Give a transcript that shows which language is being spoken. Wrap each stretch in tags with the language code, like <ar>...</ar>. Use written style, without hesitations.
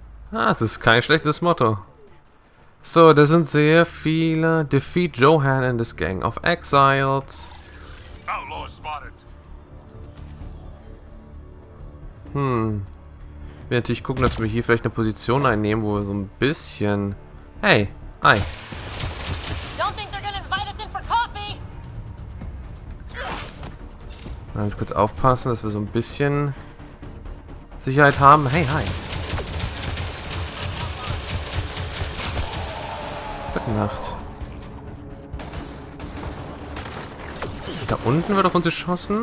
<de>Ah, es ist kein schlechtes Motto. So, da sind sehr viele.</de> <en>Defeat Johann and his gang of exiles. Outlaw spotted.</en> <de>Wir natürlich gucken, dass wir hier vielleicht eine Position einnehmen, wo wir so ein bisschen. Hey, hi.</de> <en>Don't think they're gonna invite us in for coffee.</en> <de>Mal ganz kurz aufpassen, dass wir so ein bisschen Sicherheit haben. Hey, hi. Nacht. Da unten wird auf uns geschossen.</de>